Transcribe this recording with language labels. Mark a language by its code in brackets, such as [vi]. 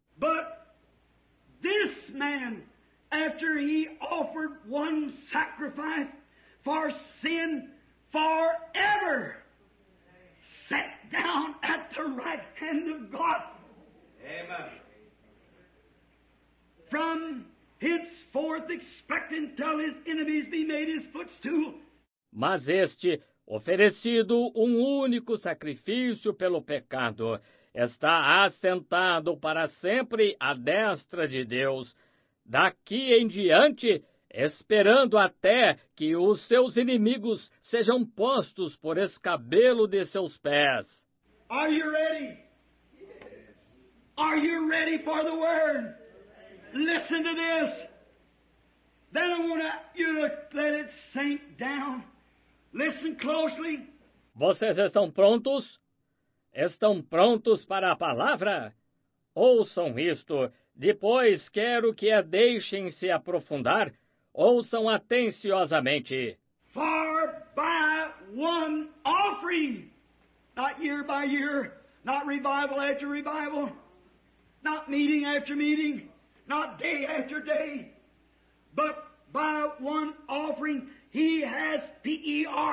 [en] But this man, after he offered one sacrifice for sin forever, sat down at the right hand of God. Amen. From henceforth expectant till his enemies be made his footstool. [pt] Mas este, oferecido um único sacrifício pelo pecado, está assentado para sempre à destra de Deus, daqui em diante, esperando até que os seus inimigos sejam postos por escabelo de seus pés. [en] Are you ready? Are you ready for the word? Listen to this. Then I want you to let it sink down. Listen closely. [pt] Vocês estão prontos? Estão prontos para a palavra? Ouçam isto. Depois quero que a deixem se aprofundar. Ouçam atenciosamente. [en] For by one offering, not year by year, not revival after revival, not meeting after meeting, not day after day, but by one offering, he has perfected.